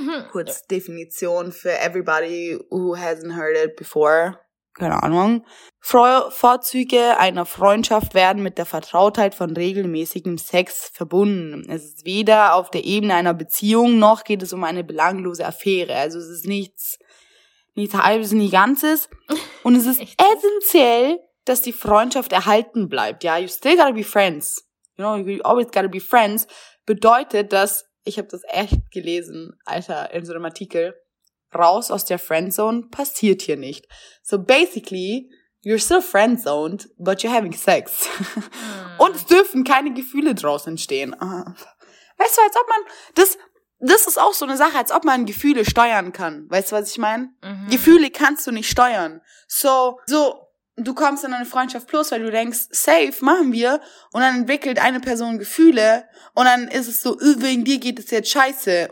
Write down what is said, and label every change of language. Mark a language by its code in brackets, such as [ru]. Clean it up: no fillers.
[de] Kurz Definition für [en] everybody who hasn't heard it before. [de] Keine Ahnung. Vorzüge einer Freundschaft werden mit der Vertrautheit von regelmäßigem Sex verbunden. Es ist weder auf der Ebene einer Beziehung, noch geht es um eine belanglose Affäre. Also es ist nichts Halbes, nichts Ganzes. Und es ist essentiell, dass die Freundschaft erhalten bleibt. [en] Ja, you still gotta be friends. You know, you always gotta be friends. [de] Bedeutet, dass, ich habe das echt gelesen, Alter, in so einem Artikel, raus aus der Friendzone passiert hier nicht. [en] So basically, you're still friendzoned, but you're having sex. [de] Und es dürfen keine Gefühle draus entstehen. Weißt du, als ob man, das ist auch so eine Sache, als ob man Gefühle steuern kann. Weißt du, was ich meine? Mhm. Gefühle kannst du nicht steuern. So, du kommst in eine Freundschaft plus, weil du denkst, safe, machen wir. Und dann entwickelt eine Person Gefühle. Und dann ist es so, wegen dir geht es jetzt scheiße.